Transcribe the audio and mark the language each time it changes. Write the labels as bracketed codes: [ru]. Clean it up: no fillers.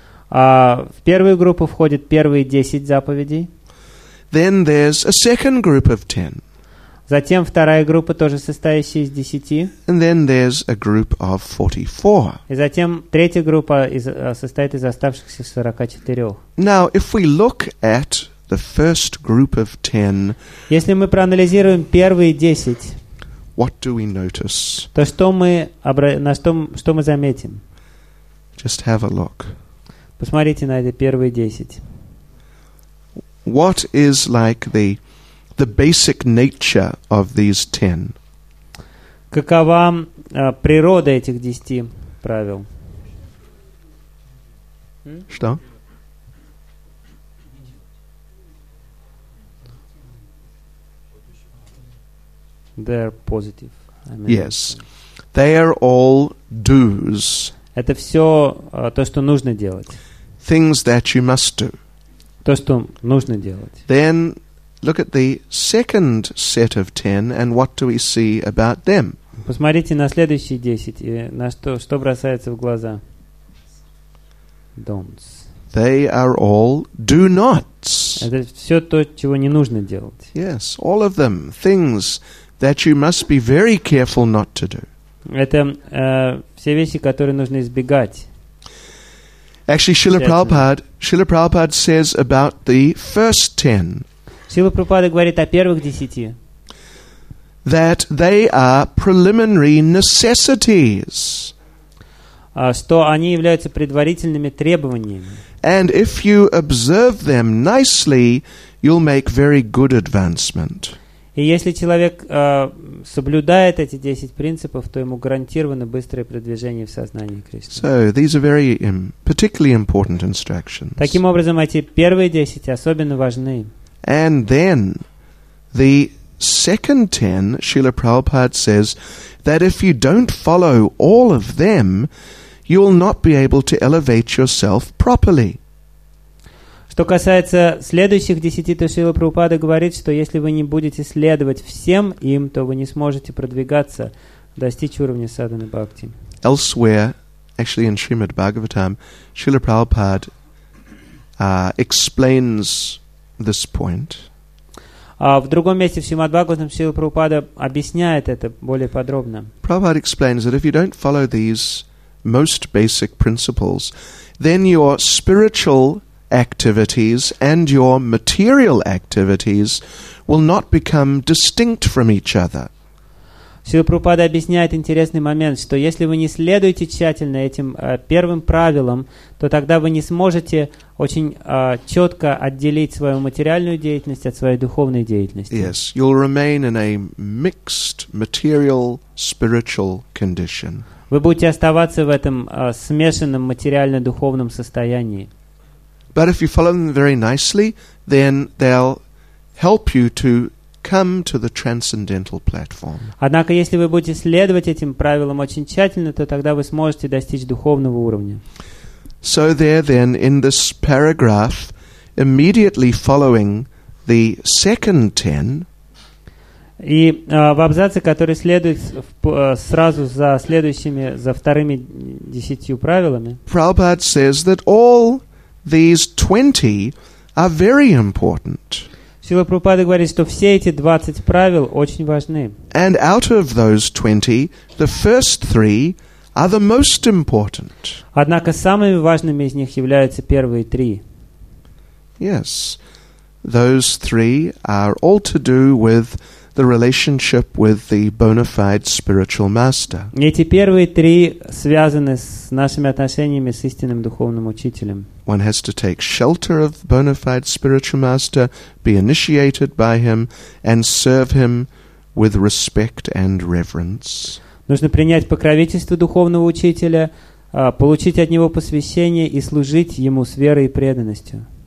[ru] В первую группу входят первые 10 заповедей. [en] Then there's a second group of 10. [ru] Затем вторая группа, тоже состоящая из 10. [en] And then there's a group of 44. [ru] И затем третья группа состоит из оставшихся 44. [en] Now, if we look at the first group of 10, [ru] если мы проанализируем первые 10, [en] what do we notice? [ru] То что мы что мы заметим? [en] Just have a look. [ru] Посмотрите на эти первые 10. [en] What is like the basic nature of these 10? [ru] Какова природа этих 10 правил? Что? [en] They're positive. Yes. They are all do's. [ru] Это все то, что нужно делать. [en] Things that you must do. [ru] То, что нужно делать. [en] Then look at the second set of 10 and what do we see about them? [ru] Посмотрите на следующие 10 и на что бросается в глаза. [en] Don'ts. They are all do nots. [ru] Это все то, чего не нужно делать. [en] Yes, all of them, things that you must be very careful not to do. [ru] Это все вещи, которые нужно избегать. [en] Actually, Srila Prabhupada says about the first 10. [ru] Srila Prabhupada говорит о первых 10. [en] That they are preliminary necessities. [ru] Что они являются предварительными требованиями. [en] And if you observe them nicely, you'll make very good advancement. [ru] И если человек соблюдает эти 10 принципов, то ему гарантировано быстрое продвижение в сознании Кришны. [en] So, these are very particularly important instructions. [ru] Таким образом, эти первые 10 особенно важны. [en] And then, the second 10, Srila Prabhupada says, that if you don't follow all of them, you will not be able to elevate yourself properly. [ru] Что касается следующих 10, то Шрила Прабхупада говорит, что если вы не будете следовать всем им, то вы не сможете продвигаться, достичь уровня садханы бхакти. [en] Elsewhere, actually in Srimad Bhagavatam, Srila Prabhupada explains this point. [ru] В другом месте в Шримад Бхагаватам Шрила Прабхупада объясняет это более подробно. [en] Prabhupada explains that if you don't follow these most basic principles, then your spiritual activities and your material activities will not become distinct from each other. [ru] Шрила Прабхупада объясняет интересный момент, что если вы не следуете тщательно этим первым правилам, то тогда вы не сможете очень четко отделить свою материальную деятельность от своей духовной деятельности. [en] Yes, you'll remain in a mixed material-spiritual condition. [ru] Вы будете оставаться в этом смешанном материально-духовном состоянии. [en] But if you follow them very nicely, then they'll help you to come to the transcendental platform. [ru] Однако, если вы будете следовать этим правилам очень тщательно, то тогда вы сможете достичь духовного уровня. [en] So there then, in this paragraph, immediately following the second 10, [ru] и в абзаце, который следует сразу за следующими, за вторыми 10 правилами, [en] Prabhupada says that all these 20 are very important. [ru] Шрила Прабхупада говорит, что все эти 20 правил очень важны. [en] And out of those 20, the first 3 are the most important. [ru] Однако самыми важными из них являются первые 3. [en] Yes. Those 3 are all to do with the relationship with the bona fide spiritual master. [ru] Эти первые 3 связаны с нашими отношениями с истинным духовным учителем. [en] One has to take shelter of the bona fide spiritual master, be initiated by him, and serve him with respect and reverence. [ru] Нужно принять покровительство духовного учителя, получить от него посвящение и служить ему с верой и преданностью.